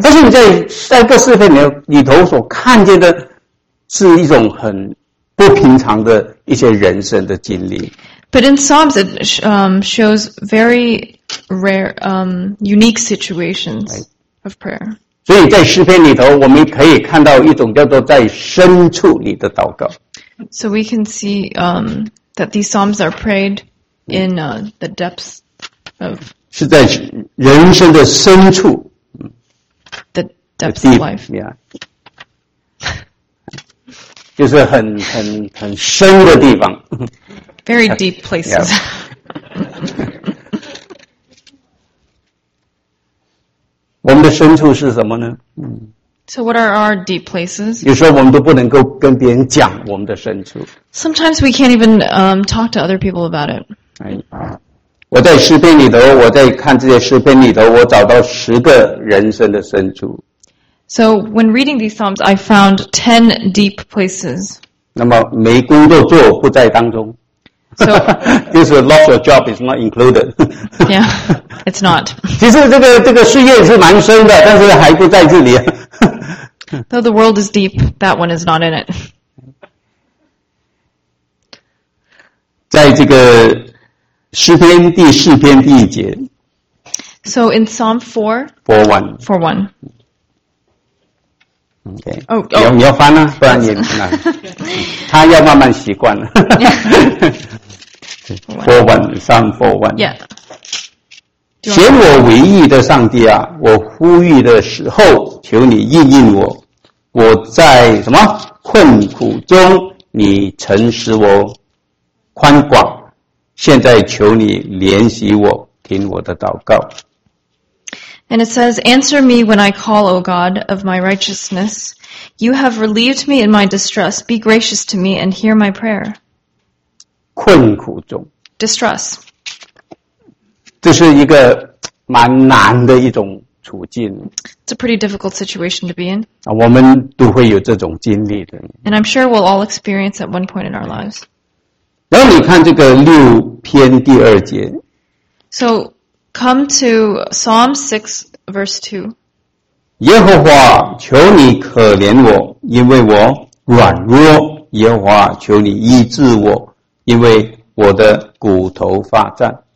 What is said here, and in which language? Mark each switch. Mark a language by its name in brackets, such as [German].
[Chinese] 但是你在在各四篇里头所看见的是一种很不平常的一些人生的经历。 [English] But in Psalms, it shows very rare, unique situations of prayer. [Chinese] 所以在诗篇里头，我们可以看到一种叫做在深处里的祷告。 [English] So we can see that these Psalms are prayed in the depths of [Chinese] 是在人生的深处。 [English] The depths of life. Yeah. [Chinese] 就是很深的地方。 [English] Very deep places. Yeah. [Chinese] 我们的深处是什么呢？ [English] So what are our deep places? [Chinese] 有时候我们都不能够跟别人讲我们的深处。 [English] Sometimes we can't even talk to other people about it. [Chinese] 我在诗篇里头，我在看这些诗篇里头，我找到十个人生的深处。 [English] So when reading these psalms, I found 10 deep places. [Chinese] 那么没工作做不在当中。 [English] So, this is lost your job is not included. Yeah, it's not. [Chinese] 其实这个事业是蛮深的，但是还不在这里。 [English] Though the world is deep, that one is not in it. [Chinese] 在这个诗篇第四篇第一节。 [English] So in Psalm 4. 4:1. 4:1. Okay. [Chinese] Oh, 你要翻啊，不然你那他要慢慢习惯了。 [English] 4:1, Psalm 4:1. Yeah. [Chinese] 显我为义的上帝啊，我呼吁的时候，求你应应我。我在什么困苦中，你曾使我宽广。现在求你怜惜我，听我的祷告。 [English] And it says, answer me when I call, O God, of my righteousness. You have relieved me in my distress. Be gracious to me and hear my prayer. [Chinese] 困苦中。 [English] Distress. [Chinese] 这是一个蛮难的一种处境。 [English] It's a pretty difficult situation to be in. [Chinese] 我们都会有这种经历的。 [English] And I'm sure we'll all experience at one point in our lives. [Chinese] 然后你看这个六篇第二节。 [English] So,Come to Psalm 6, verse 2. [Chinese] 耶和华，求你可怜我，因为我软弱。耶和华，求你医治我，因为我的骨头发颤。